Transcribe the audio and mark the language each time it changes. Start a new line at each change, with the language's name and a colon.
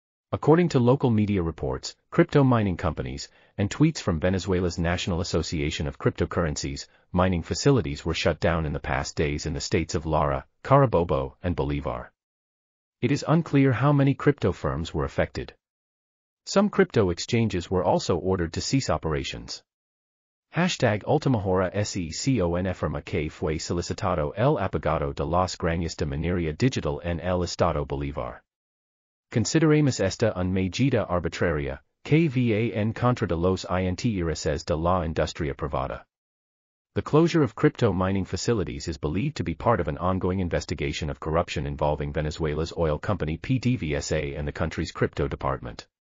English: According to local media reports, crypto mining companies, and tweets from Venezuela's National Association of Cryptocurrencies, mining facilities were shut down in the past days in the states of Lara, Carabobo, and Bolivar. It is unclear how many crypto firms were affected. Some crypto exchanges were also ordered to cease operations.
Spanish: Hashtag Ultimahora se conforma que fue solicitado el apagado de las granjas de minería digital en el estado Bolívar. Consideramos esta una medida arbitraria, que va en contra de los intereses de la industria privada.
English: The closure of crypto mining facilities is believed to be part of an ongoing investigation of corruption involving Venezuela's oil company PDVSA and the country's crypto department.